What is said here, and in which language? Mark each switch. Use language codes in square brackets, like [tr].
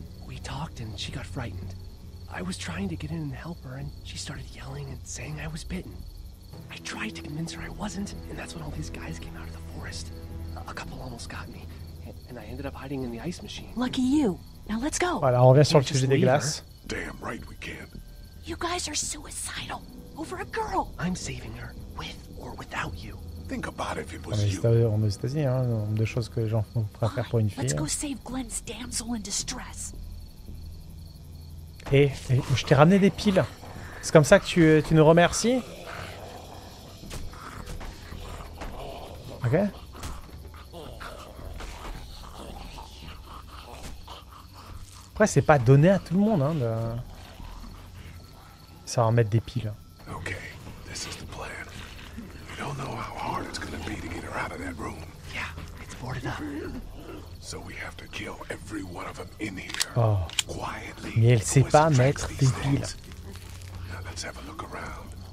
[en] We talked, and she got frightened. I was trying to get in and help her, and she started yelling and saying I was bitten. I tried to convince her I wasn't, and that's when all these guys came out of the forest. A couple almost got me, and I ended up hiding in the ice machine. Lucky you. Now let's go. [fr] Voilà, on revient sur le sujet des glaces. [en] Damn right we can. You guys are suicidal over a girl. I'm saving her, with or without you. Think about if it was you. [fr] On est aux États-Unis, hein, le nombre de choses que les gens font pour faire pour une fille. [en] Let's go save Glenn's damsel in distress. [fr] Et je t'ai ramené des piles. C'est comme ça que tu nous remercies. Ok. Après, c'est pas donné à tout le monde, hein, de savoir mettre des piles. [en] Ok, this is the plan. We don't know how hard it's gonna be to get her out of that room. Yeah, it's boarded up. So we have to kill every one of them in here. Oh. Quietly. [fr] Mais elle sait pas mettre des piles. [en] Now let's have a look around.